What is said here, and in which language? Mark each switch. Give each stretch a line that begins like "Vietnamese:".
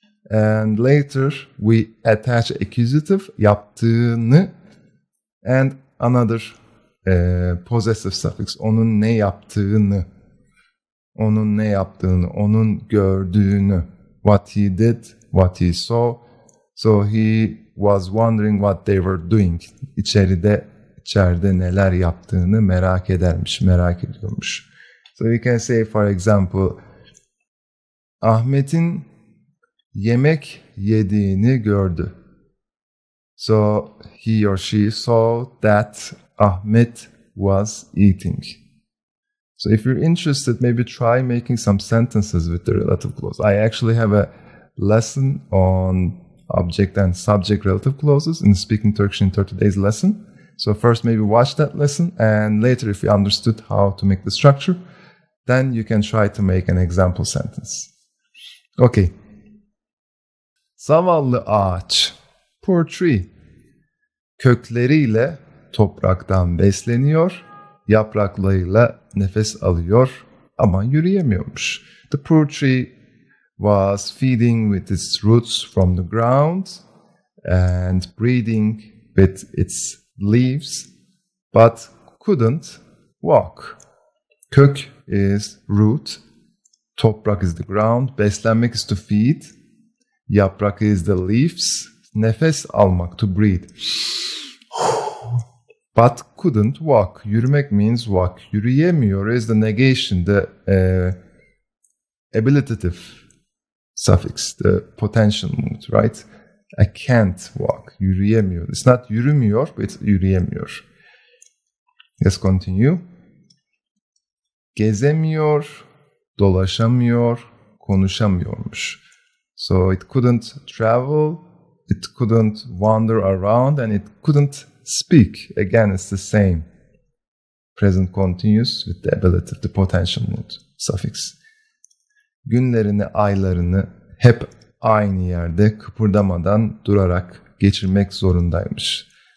English: And later we attach accusative, yaptığını, and another possessive suffix,
Turkish: onun ne yaptığını, onun ne yaptığını, onun gördüğünü,
English: what he did, what he saw. So he was wondering what they were doing.
Turkish: İçeride neler yaptığını merak edermiş, merak ediyormuş.
English: So you can say, for example,
Turkish: Ahmet'in yemek yediğini gördü.
English: So he or she saw that Ahmet was eating. So if you're interested, maybe try making some sentences with the relative clause. I actually have a lesson on object and subject relative clauses in Speaking Turkish in 30 Days lesson. So first maybe watch that lesson, and later if you understood how to make the structure, then you can try to make an example sentence. Okay.
Turkish: Zavallı ağaç,
English: poor tree,
Turkish: kökleriyle topraktan besleniyor, yapraklarıyla nefes alıyor ama yürüyemiyormuş.
English: The poor tree was feeding with its roots from the ground and breathing with its leaves, but couldn't walk. Kök is root, toprak is the ground, beslenmek is to feed. Yaprak is the leaves.
Turkish: Nefes almak,
English: to breathe. But couldn't walk. Yürümek means walk. Yürüyemiyor is the negation, the abilitative suffix, the potential mood, right? I can't walk. Yürüyemiyor. It's not yürümüyor, but it's yürüyemiyor. Let's continue.
Turkish: Gezemiyor, dolaşamıyor, konuşamıyormuş.
English: So it couldn't travel, it couldn't wander around, and it couldn't speak. Again, it's the same. Present continuous with the ablative, the potential mood suffix.
Turkish: Günlerini, aylarını hep aynı yerde kıpırdamadan durarak geçirmek zorundaymış.